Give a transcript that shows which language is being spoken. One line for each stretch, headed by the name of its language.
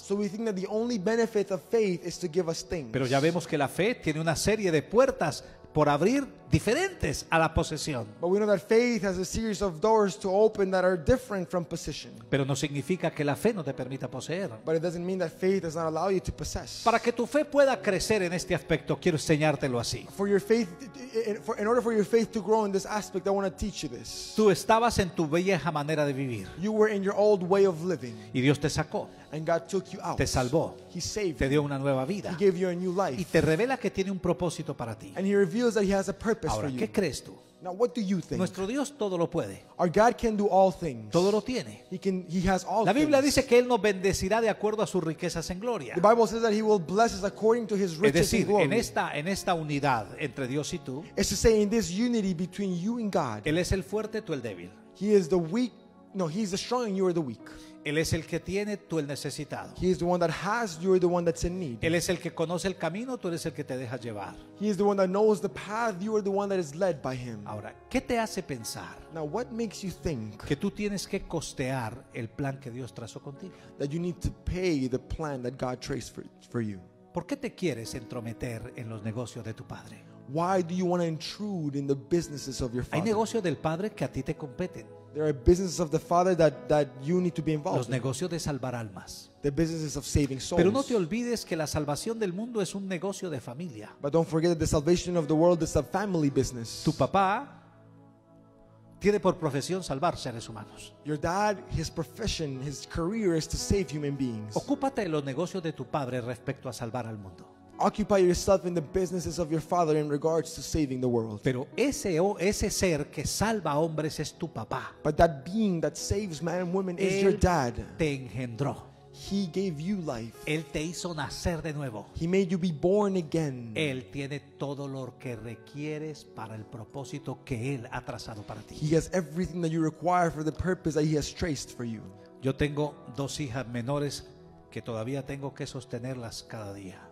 English: So we think that the only benefit of faith is to give us things.
Spanish: Pero ya vemos que la fe tiene una serie de puertas por abrir diferentes a la posesión.
English: But we know that faith has a series of doors to open that are different from possession.
Spanish: Pero no significa que la fe no te permita poseer.
English: But it doesn't mean that faith does not allow you to possess.
Spanish: Para que tu fe pueda crecer en este aspecto, quiero enseñártelo así.
English: For your faith, in order for your faith to grow in this aspect, I want to teach you this.
Spanish: Tú estabas en tu vieja manera de vivir.
English: You were in your old way of living.
Spanish: Y Dios te sacó.
English: And God took you out.
Spanish: Te salvó.
English: He saved you.
Spanish: Te dio una nueva vida.
English: He gave you a new life.
Spanish: Y te revela que tiene un propósito para ti.
English: And he reveals that he has a purpose
Spanish: ahora,
English: for you.
Spanish: ¿Qué crees tú?
English: Now what do you think?
Spanish: Nuestro Dios todo lo puede.
English: Our God can do all things.
Spanish: Todo lo tiene.
English: He has all
Spanish: la Biblia
English: things.
Spanish: Dice que Él nos bendecirá de acuerdo a sus riquezas en gloria.
English: The Bible says that he will bless us according to his riches.
Spanish: Es decir,
English: in glory.
Spanish: En esta unidad entre Dios y tú,
English: it's to say in this unity between you and God,
Spanish: Él es el fuerte, tú el débil.
English: He is the weak. No, he is the strong and you are the weak.
Spanish: Él es el que tiene, tú el necesitado.
English: He is the one that has, you are the one that's in need.
Spanish: Él es el que conoce el camino, tú eres el que te dejas llevar.
English: He is the one that knows the path, you are the one that is led by him.
Spanish: Ahora, ¿qué te hace pensar?
English: Now, what makes you think?
Spanish: Que tú tienes que costear el plan que Dios trazó contigo.
English: That you need to pay the plan that God traced for you.
Spanish: ¿Por qué te quieres entrometer en los negocios de tu padre?
English: Why do you want to intrude in the businesses of your father?
Spanish: Hay negocios del padre que a ti te competen.
English: There are businesses of the Father that you need to be involved in.
Spanish: Los negocios de salvar almas.
English: The businesses of saving souls.
Spanish: Pero no te olvides que la salvación del mundo es un negocio de familia.
English: But don't forget that the salvation of the world is a family business.
Spanish: Tu papá tiene por profesión salvar seres humanos.
English: Your dad, his profession, his career is to save human beings.
Spanish: Ocúpate de los negocios de tu padre respecto a salvar al mundo.
English: occupy yourself in the businesses of your father in regards to saving the world.
Spanish: Pero ese ser que salva hombres es tu papá.
English: But that being that saves men and women is your dad.
Spanish: Te engendró.
English: He gave you life.
Spanish: Él te hizo nacer de nuevo.
English: He made you be born again.
Spanish: Él tiene todo lo que requieres para el propósito que él ha trazado para ti.
English: He has everything that you require for the purpose that he has traced for you.
Spanish: Yo tengo dos hijas menores que todavía tengo que sostenerlas cada día.